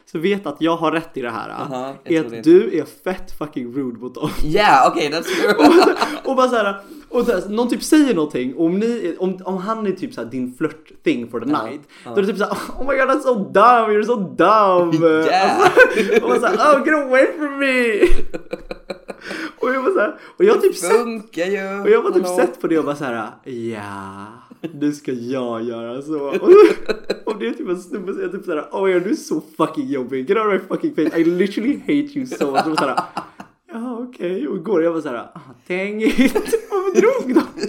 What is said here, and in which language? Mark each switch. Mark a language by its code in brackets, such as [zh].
[sv] Så vet att jag har rätt i det här. Är att du är fett fucking rude mot dem. [en] That's true. [sv] Och bara såhär, någon typ säger någonting, om han är typ såhär din [en] flirt thing for the night, [sv] då är det typ såhär, [en] oh my god, that's so dumb, you're so dumb. Yeah. [sv] Och bara såhär, [en] oh, get away from me. [sv] Och jag bara såhär, och jag typ sett, och jag var typ sett på det och bara såhär, ja, nu ska jag göra så. Och det är typ en snubbe som är typ såhär, oh my god, du är så fucking jobbig, [en] get out of my fucking face, I literally hate you so much. [sv] Och såhär, ja, okej, okay. Och igår jag var såhär, [en] dang it, [sv] varför drog då?